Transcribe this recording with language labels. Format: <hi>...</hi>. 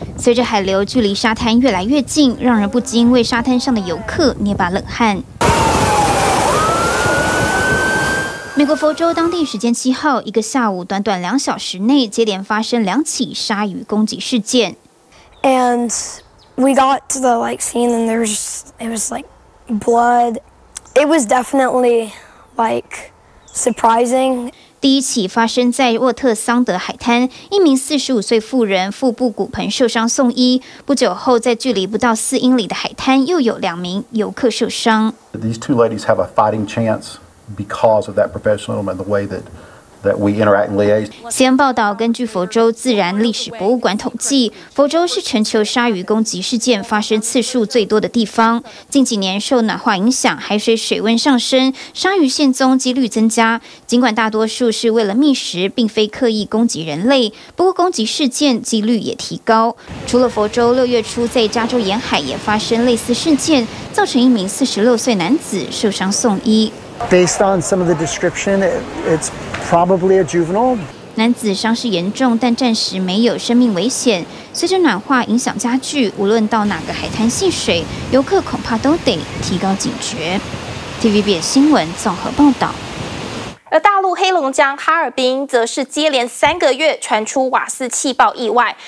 <zh>随着海流距离沙滩越来越近，让人不禁为沙滩上的游客捏把冷汗。美国佛州当地时间7号，一个下午短短2小时内，接连发生2起鲨鱼攻击事件。</zh> <en>And we got to the like scene, and there was it was like blood. It was definitely like surprising.</en> <zh>第一起发生在沃特桑德海滩，一名45岁妇人腹部骨盆受伤送医。不久后，在距离不到4英里的海滩，又有2名游客受伤。</zh> <en>These two ladies have a fighting chance because of that professionalism and the way that we interact and liaise.</en> <zh>CNN 报道，根据佛州自然历史博物馆统计，佛州是全球鲨鱼攻击事件发生次数最多的地方。近几年受暖化影响，海水水温上升，鲨鱼现踪几率增加。尽管大多数是为了觅食，并非刻意攻击人类，不过攻击事件几率也提高。除了佛州，6月初在加州沿海也发生类似事件，造成一名46岁男子受伤送医。</zh> <en>Based on some of the description, it's probably a juvenile.</en> <zh>男子伤势严重，但暂时没有生命危险。随着暖化影响加剧，无论到哪个海滩戏水，游客恐怕都得提高警觉。 TVBS 新闻综合报道。而大陆黑龙江哈尔滨则是接连3个月传出瓦斯气爆意外。</zh>